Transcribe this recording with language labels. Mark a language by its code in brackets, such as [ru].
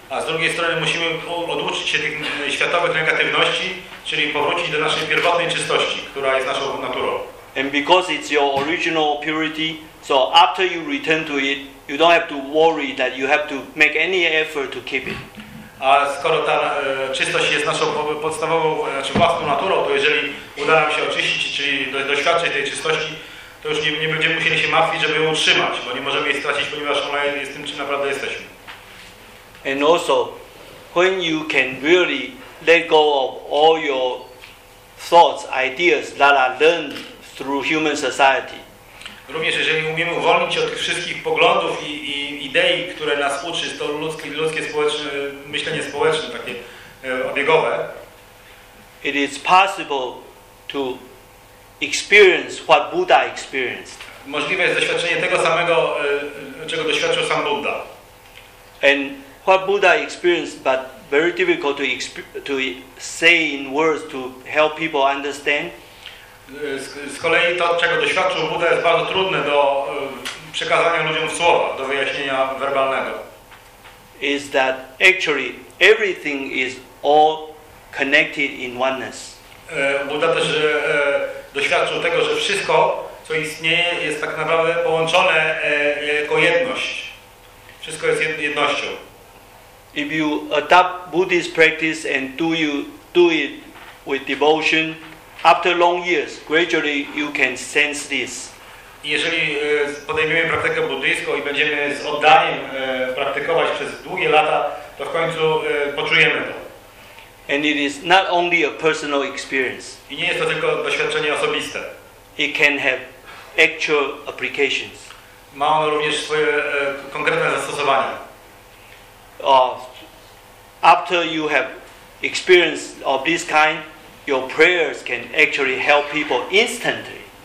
[pl] A z drugiej strony musimy oduczyć się tych światowych negatywności, czyli powrócić do naszej pierwotnej czystości, która jest naszą naturą. [en] And because it's your original purity, so after you return to it, you don't have to worry that you have to make any effort to keep it. [pl] A skoro ta czystość jest naszą podstawową, znaczy własną naturą, to jeżeli uda nam się oczyścić, czyli doświadczyć tej czystości, to już nie będziemy musieli się martwić, żeby ją utrzymać, bo nie możemy jej stracić, ponieważ ona jest tym, czym naprawdę jesteśmy. [en] And also, when you can really let go of all your thoughts, ideas that are learned through human society. [pl] Również jeżeli umiemy uwolnić się od tych wszystkich poglądów i idei, które nas uczy, to ludzkie społeczne, myślenie społeczne, takie obiegowe. [en] It is possible to experience what Buddha experienced. [pl] Możliwe jest doświadczenie tego samego, czego doświadczył sam Buddha. [en] And what Buddha experienced, but very difficult to say in words to help people understand. [pl] Z kolei to, czego doświadczył Buddha, jest bardzo trudne do przekazania ludziom w słowa, do wyjaśnienia werbalnego. [en] Is that actually everything is all connected in oneness. [pl] Buddha też doświadczył tego, że wszystko, co istnieje, jest tak naprawdę połączone jako jedność. Wszystko jest jednością. [en] If you adopt Buddhist practice and do it with devotion, after long years, gradually you can sense this. [pl] Jeżeli podejmiemy praktykę buddyjską i będziemy z oddaniem praktykować przez długie lata, to w końcu poczujemy to. [en] And it is not only a personal experience. [pl] I nie jest to tylko doświadczenie osobiste. [en] It can have actual applications. [pl] Ma ono również swoje konkretne zastosowanie. [en] After you have experience of this kind, your prayers can actually help people instantly.